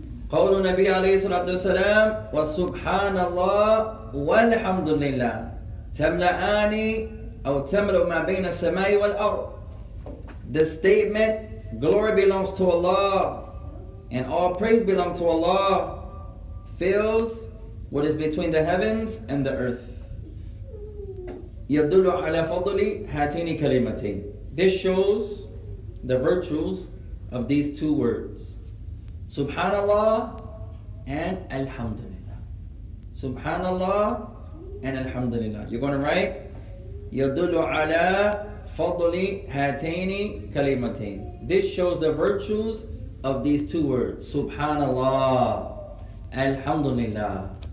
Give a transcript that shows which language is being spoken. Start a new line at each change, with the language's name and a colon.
Arabic: قول النبي عليه الصلاة والسلام وسبحان الله والحمد لله تملأني أو تملأ ما بين السماء والأرض.
English: The statement, glory belongs to Allah and all praise belong to Allah, fills what is between the heavens and the earth.
Arabic: يَدُلُّ عَلَى فَضْلِ هَاتِينِ كَلِمَتَيْنِ.
English: This shows the virtues of these two words, Subhanallah and Alhamdulillah. Subhanallah and Alhamdulillah. You're gonna write,
Arabic: Yadullu ala fadli hataini kalimatain.
English: This shows the virtues of these two words, Subhanallah, Alhamdulillah.